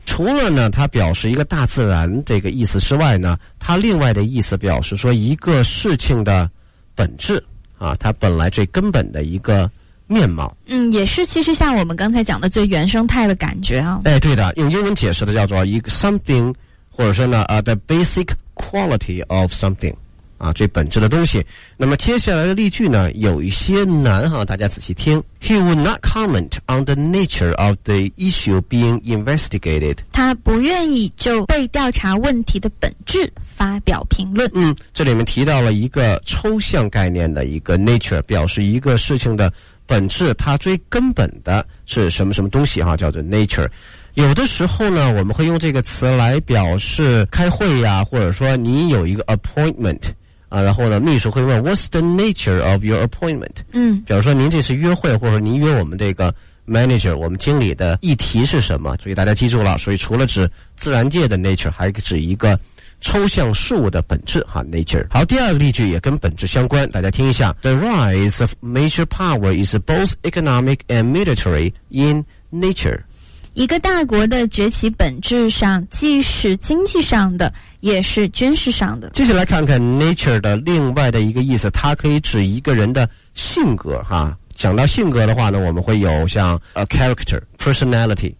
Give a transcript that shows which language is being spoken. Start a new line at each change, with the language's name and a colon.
Chinese: 除了呢它表示一个大自然这个意思之外呢，它另外的意思表示说一个事情的本质啊，它本来最根本的一个面貌。也是其实像我们刚才讲的最原生态的感觉啊。对的，用英文解释的叫做一个 something， 或者说呢
English: the basic quality of something
Chinese: 啊，最本质的东西。那么接下来的例句呢有一些难哈，大家仔细听。
English: He would not comment on the nature of the issue being investigated。
Chinese: 他不愿意就被调查问题的本质发表评论。这里面提到了一个抽象概念的一个 nature， 表示一个事情的本质，它最根本的是什么什么东西哈，叫做 nature。有的时候呢我们会用这个词来表示开会呀，或者说你有一个 appointment 啊，然后呢秘书会问
English: what's the nature of your appointment。
Chinese: 比如说您这次约会或者您约我们这个 manager 我们经理的议题是什么，所以大家记住了，所以除了指自然界的 nature 还指一个抽象事物的本质哈 nature。好，第二个例句也跟本质相关，大家听一下。
English: The rise of major power is both economic and military in nature。
Chinese: 一个大国的崛起本质上既是经济上的也是军事上的。接下来看看 nature 的另外的一个意思，它可以指一个人的性格哈。讲到性格的话呢我们会有像
English: a character personality。